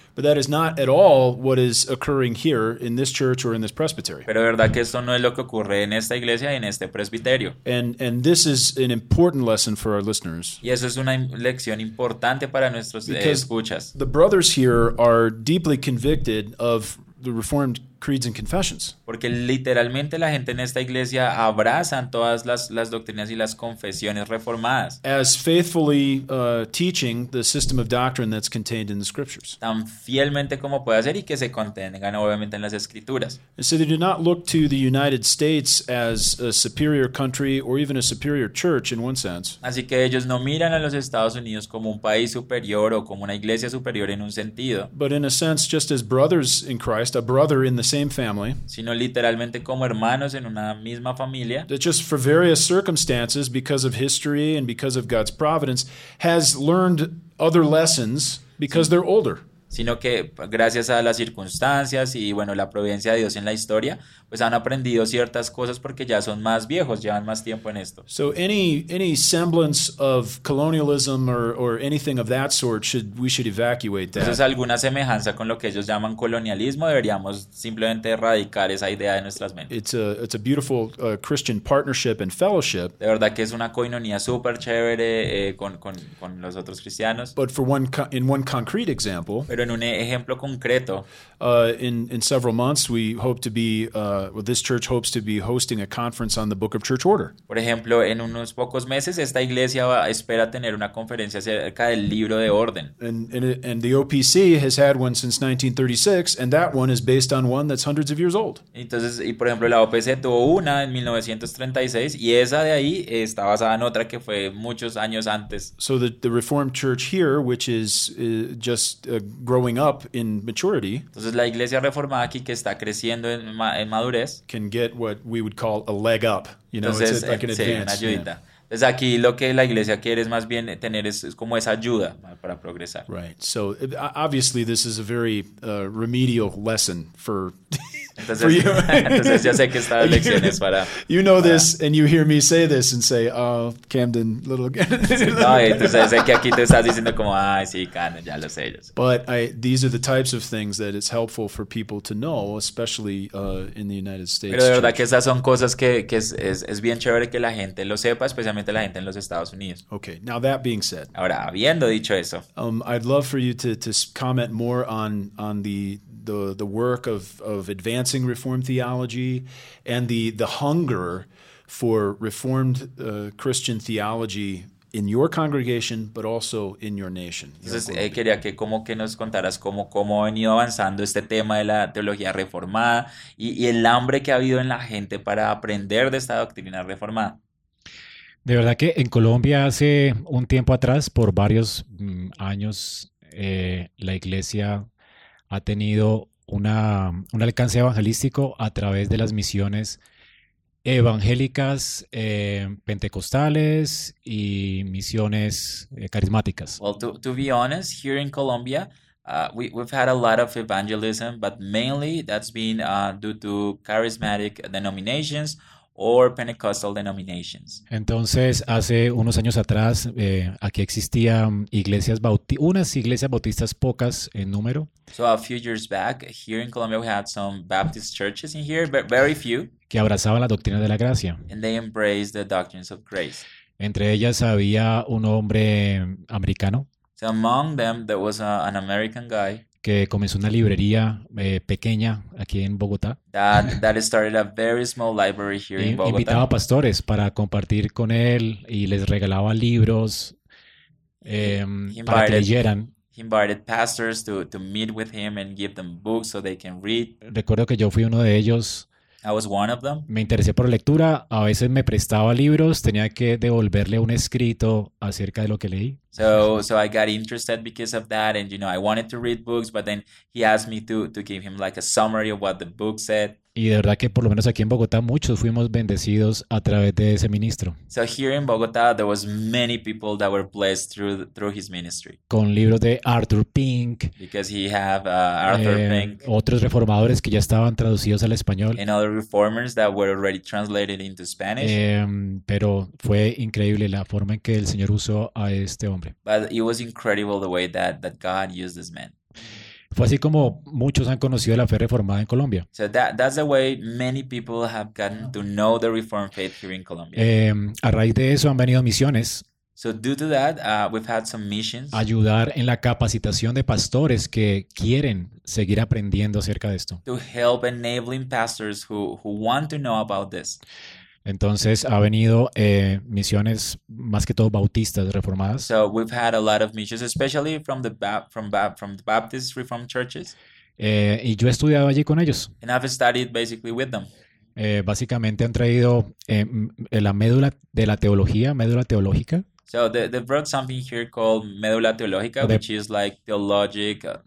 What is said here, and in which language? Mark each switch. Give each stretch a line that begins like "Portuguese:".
English: But that is not at all what is occurring here in this church or in this presbytery.
Spanish: Pero verdad que esto no es lo que ocurre en esta iglesia y en este presbiterio.
English: And this is an important lesson for our listeners.
Spanish: Y eso es una lección importante para nuestros escuchas.
English: The brothers here are deeply convicted of the Reformed creeds and confessions.
Spanish: Porque literalmente la gente en esta iglesia abrazan todas las doctrinas y las confesiones reformadas.
English: As faithfully teaching the system of doctrine that's contained in the scriptures.
Spanish: Tan fielmente como puede hacer y que se contengan obviamente en las escrituras.
English: And so they do not look to the United States as a superior country or even a superior church in one sense.
Spanish: Así que ellos no miran a los Estados Unidos como un país superior o como una iglesia superior en un sentido.
English: But in a sense, just as brothers in Christ, a brother in the same family,
Spanish: sino literalmente como hermanos en una misma familia,
English: that just for various circumstances, because of history and because of God's providence, has learned other lessons because they're older.
Spanish: Sino que gracias a las circunstancias y bueno, la providencia de Dios en la historia, pues han aprendido ciertas cosas porque ya son más viejos, llevan más tiempo en esto.
English: So any semblance of colonialism or anything of that sort, we should evacuate that.
Spanish: Entonces alguna semejanza con lo que ellos llaman colonialismo, deberíamos simplemente erradicar esa idea de nuestras mentes.
English: It's a beautiful Christian partnership and fellowship.
Spanish: De verdad que es una coinonía súper chévere con los otros cristianos.
English: But for one in one concrete example,
Spanish: pero en un ejemplo concreto,
English: in several months we hope to be this church hopes to be hosting a conference on the Book of Church Order.
Spanish: Por ejemplo, en unos pocos meses esta iglesia espera tener una conferencia acerca del libro de orden.
English: And the OPC has had one since 1936 and that one is based on one that's hundreds of years old.
Spanish: Entonces, y por ejemplo, la OPC tuvo una en 1936 y esa de ahí está basada en otra que fue muchos años antes.
English: So the Reformed Church here, which is just growing up in maturity.
Spanish: Entonces la iglesia reformada aquí que está creciendo en madurez
English: can get what we would call a leg up, you know.
Spanish: Entonces,
English: it's like an advance.
Spanish: Una ayudita.
English: Yeah.
Spanish: Entonces aquí lo que la iglesia quiere es más bien tener es como esa ayuda para progresar.
English: Right. So obviously this is a very remedial lesson for
Spanish: entonces,
English: for you.
Spanish: Entonces ya sé que esta lección es para
English: you know
Spanish: para,
English: this and you hear me say this and say, "Oh, Camden, little
Spanish: no, entonces sé que aquí te estás diciendo como, "Ay, sí, Camden, ya lo sé."
English: But these are the types of things that it's helpful for people to know, especially in the United States.
Spanish: Pero de verdad que esas son cosas que es bien chévere que la gente lo sepa, especialmente la gente en los Estados Unidos.
English: Okay. Now that being said.
Spanish: Ahora, habiendo dicho eso.
English: I'd love for you to comment more on the work of advancing Reformed theology and the hunger for Reformed Christian theology in your congregation, but also in your nation.
Spanish: Entonces, quería que como que nos contaras cómo ha venido avanzando este tema de la teología reformada y el hambre que ha habido en la gente para aprender de esta doctrina reformada. De verdad que en Colombia hace un tiempo atrás, por varios años, la iglesia ha tenido un alcance evangelístico a través de las misiones evangélicas pentecostales y misiones carismáticas.
English: Well, to be honest, here in Colombia, we've had a lot of evangelism, but mainly that's been due to charismatic denominations or Pentecostal denominations.
Spanish: Entonces, hace unos años atrás, aquí existían unas iglesias bautistas pocas en número.
English: So a few years back, here in Colombia, we had some Baptist churches in here, but very few.
Spanish: Que abrazaban la doctrina de la gracia.
English: And they embraced the doctrines of grace.
Spanish: Entre ellas había un hombre americano.
English: So among them, there was an American guy.
Spanish: Que comenzó una librería pequeña aquí en Bogotá.
English: That started a very small library here in Bogotá.
Spanish: Invitaba pastores para compartir con él y les regalaba libros para que leyeran.
English: He invited pastors to meet with him and give them books so they can read.
Spanish: Recuerdo que yo fui uno de ellos.
English: I was one of them.
Spanish: Me interesé por lectura. A veces me prestaba libros. Tenía que devolverle un escrito acerca de lo que leí.
English: So I got interested because of that, and you know, I wanted to read books, but then he asked me to give him like a summary of what the book said.
Spanish: Y de verdad que por lo menos aquí en Bogotá muchos fuimos bendecidos a través de ese ministro.
English: So here in Bogotá there was many people that were blessed through his ministry.
Spanish: Con libros de Arthur Pink.
English: Because he have Arthur Pink.
Spanish: Otros reformadores que ya estaban traducidos al español.
English: And other reformers that were already translated into Spanish.
Spanish: Pero fue increíble la forma en que el Señor usó a este hombre.
English: But it was incredible the way that God used this man.
Spanish: Fue así como muchos han conocido la fe reformada en Colombia.
English: So that's the way many people have gotten to know the Reformed faith here in Colombia.
Spanish: A raíz de eso han venido misiones.
English: So due to that, we've had some missions.
Spanish: Ayudar en la capacitación de pastores que quieren seguir aprendiendo acerca de esto.
English: To help enabling pastors who want to know about this.
Spanish: Entonces ha venido misiones más que todo bautistas reformadas.
English: So we've had a lot of missions, especially from the Baptist Reformed churches.
Spanish: Y yo he estudiado allí con ellos.
English: And I've studied basically with them.
Spanish: Básicamente han traído la médula de la teología, médula teológica.
English: So they brought something here called médula teológica, which is like theologic.